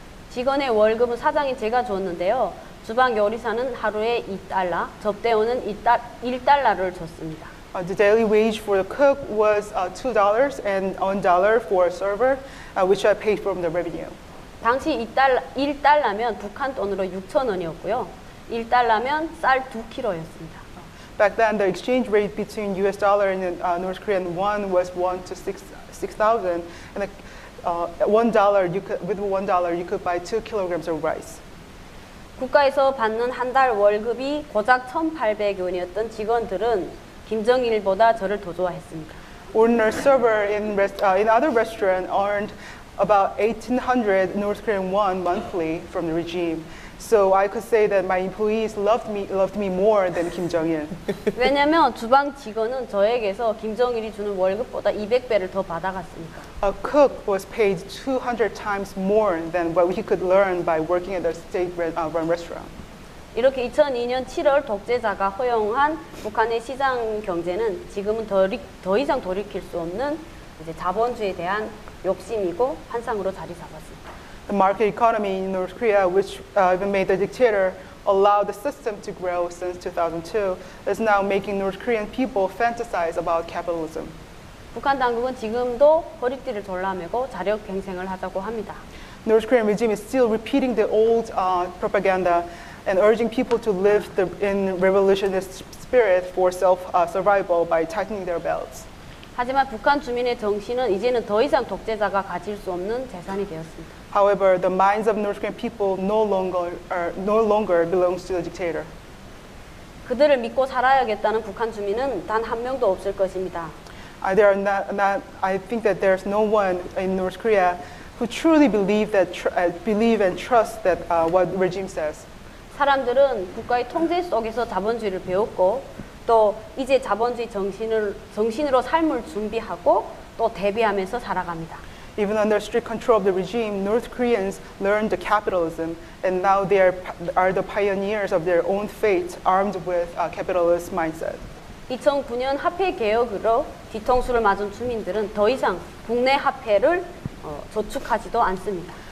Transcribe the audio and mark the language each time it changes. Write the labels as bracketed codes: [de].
[ko] 직원의 월급은 사장인 제가 줬는데요. 주방 요리사는 하루에 $2, 접대원은 $1를 줬습니다. [en] The daily wage for the cook was $2 and $1 for a server, which I paid from the revenue. [ko] 당시 $1면 북한 돈으로 6,000원이었고요. $1면 쌀 2kg였습니다. [en] Back then, the exchange rate between US dollar and North Korean won was 1 to 6,000. And $1, you could buy 2 kilograms of rice. [ko] 국가에서 받는 한 달 월급이 고작 1,800원이었던 직원들은 김정일보다 저를 더 좋아했습니다. [en] Ordinary server in other restaurant earned about 1,800 North Korean won monthly from the regime. So I could say that my employees loved me more than Kim Jong-il. [ko] 왜냐면 주방 직원은 저에게서 김정일이 주는 월급보다 200배를 더 받아갔으니까. [en] A cook was paid 200 times more than what he could learn by working at a state-run restaurant. [ko] 이렇게 2002년 7월 독재자가 허용한 북한의 시장 경제는 지금은 더 이상 돌이킬 수 없는 이제 자본주의에 대한 욕심이고 환상으로 자리 잡았습니다. [en] The market economy in North Korea, which even made the dictator allow the system to grow since 2002, is now making North Korean people fantasize about capitalism. [ko] 북한 당국은 지금도 허리띠를 졸라매고 자력 갱생을 하자고 합니다. [en] North Korean regime is still repeating the old propaganda and urging people to live in revolutionist spirit for self-survival by tightening their belts. [ko] 하지만 북한 주민의 정신은 이제는 더 이상 독재자가 가질 수 없는 재산이 되었습니다. [en] However, the minds of North Korean people no longer belongs to the dictator. [ko] 그들을 믿고 살아야겠다는 북한 주민은 단 한 명도 없을 것입니다. [en] I think that there's no one in North Korea who truly believe and trust that what regime says. [ko] 사람들은 국가의 통제 속에서 자본주의를 배웠고 또 이제 자본주의 정신으로 삶을 준비하고 또 대비하면서 살아갑니다. [en] Even under strict control of the regime, North Koreans learned the capitalism, and now they are the pioneers of their own fate, armed with a capitalist mindset. [ko] 2009년 화폐 개혁으로 뒤통수를 맞은 주민들은 더 이상 국내 화폐를 저축하지도 않습니다.